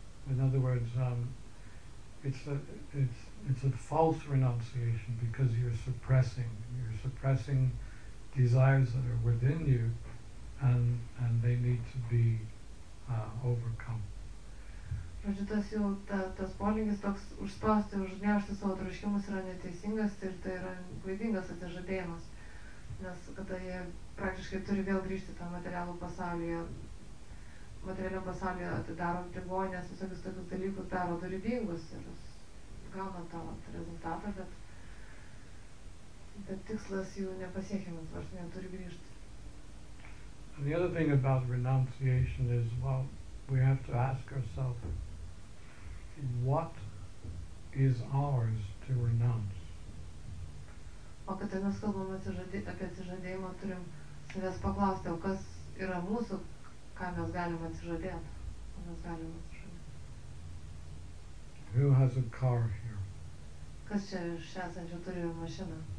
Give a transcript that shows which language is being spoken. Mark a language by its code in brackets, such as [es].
[en] In other words, it's a false renunciation, because you're suppressing desires that are within you, and they need to be overcome. [lt] Žodžiu, tas polinkis toks užspausti, užgniaušti savo troškimus yra neteisingas ir tai yra klaidingas atsižadėjimas. Nes kada jie praktiškai turi vėl grįžti tą materialų pasaulį, materialiam pasaulyje atidaro ligonės, visokius tokius dalykus daro dorybingus ir gauna tą rezultatą, bet tikslas jų nepasiekimas, nors jie turi grįžti. [en] And the other thing about renunciation is, well, we have to ask ourselves, what is ours to renounce? [lt] O kad mes kalbame apie atsižadėjimą, turim savęs paklausti, o kas yra mūsų, ką mes galime atsižadėti, ką mes galime atsižadėti. [en] Who has a car here? [lt] Kas čia iš esančių turi mašiną?